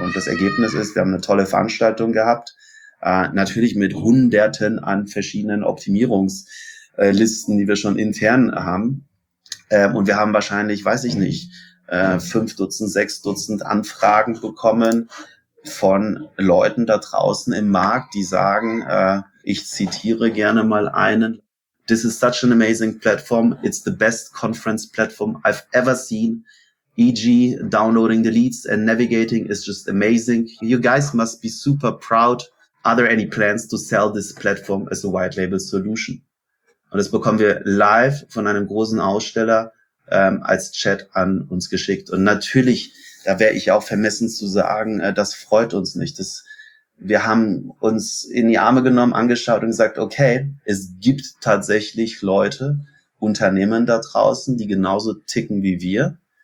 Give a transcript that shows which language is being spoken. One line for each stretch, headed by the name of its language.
German: Und das Ergebnis ist, wir haben eine tolle Veranstaltung gehabt, natürlich mit Hunderten an verschiedenen Optimierungslisten, die wir schon intern haben. Und wir haben wahrscheinlich, weiß ich nicht, 5 Dutzend, 6 Dutzend Anfragen bekommen von Leuten da draußen im Markt, die sagen, ich zitiere gerne mal einen,
English: "This is such an amazing platform. It's the best conference platform I've ever seen. E.g. downloading the leads and navigating is just amazing. You guys must be super proud. Are there any plans to sell this platform as a white label solution?"
German: Und das bekommen wir live von einem großen Aussteller als Chat an uns geschickt. Und natürlich, da wäre ich auch vermessen zu sagen, das freut uns nicht. Wir haben uns in die Arme genommen, angeschaut und gesagt, okay, es gibt tatsächlich Leute, Unternehmen da draußen, die genauso ticken wie wir.